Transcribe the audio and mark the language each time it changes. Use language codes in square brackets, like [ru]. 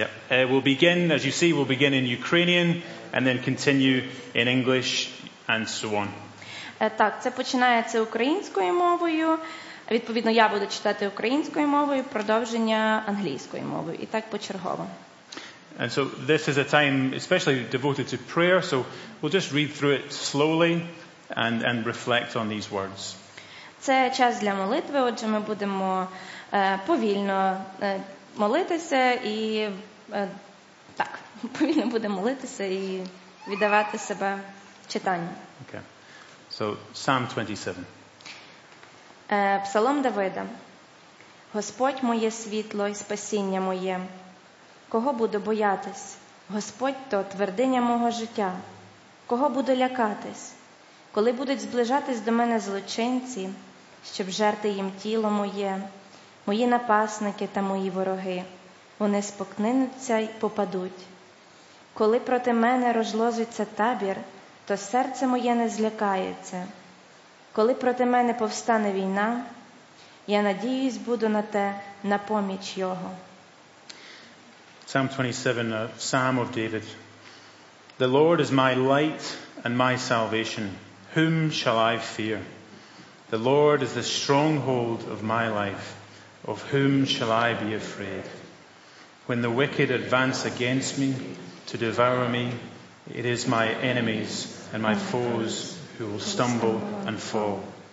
[en] We'll begin in Ukrainian and then continue in English and so on. [uk] Так, це починається українською мовою. Відповідно, я буду читати українською мовою, продовження англійською мовою. І так почергово. [en] And so this is a time especially devoted to prayer, so we'll just read through it slowly and reflect on these words. [uk] Це час для молитви, отже ми будемо повільно молитися і так, повільно будемо молитися і віддавати себе читанню. [en] Okay. So, Psalm 27. [uk] Псалом Давида. Господь моє світло і спасіння моє. Кого буду боятись? Господь то твердиня мого життя. Кого буду лякатись? Коли будуть зближатись до мене злочинці, щоб жерти їм тіло моє, мої напасники та мої вороги, вони спокнинуться й попадуть. Коли проти мене розложиться табір, то серце моє не злякається. Коли проти мене повстане війна, я надіюсь буду на те, на поміч його. [en] Psalm 27, a psalm of David. The Lord is my light and my salvation. Whom shall I fear? The Lord is the stronghold of my life. Of whom shall I be afraid? When the wicked advance against me to devour me, it is my enemies and my foes who will stumble and fall.